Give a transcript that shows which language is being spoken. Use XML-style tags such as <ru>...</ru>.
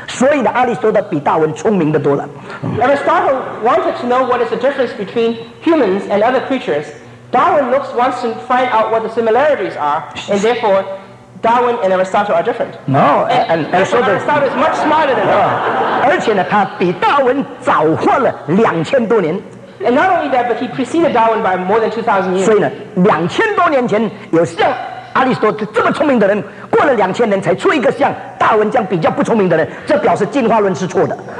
<zh>阿里斯多德要看人与动物之间不同的在哪里，达尔文是看相同的在哪里。所以呢，阿里斯多德比达尔文聪明的多了。</zh> <en>Aristotle wanted to know what is the difference between humans and other creatures. Darwin looks wants to find out what the similarities are, and therefore. Darwin and Aristotle are different. No, and Aristotle is much smarter than Darwin.</en> <zh>而且呢，他比达尔文早活了2000多年。</zh> <en>And not only that, but he preceded Darwin by more than 2,000 years.</en> <zh>所以呢，2000多年前有像阿里斯多德这么聪明的人，过了2000年才出一个像达尔文这样比较不聪明的人，这表示进化论是错的。</zh>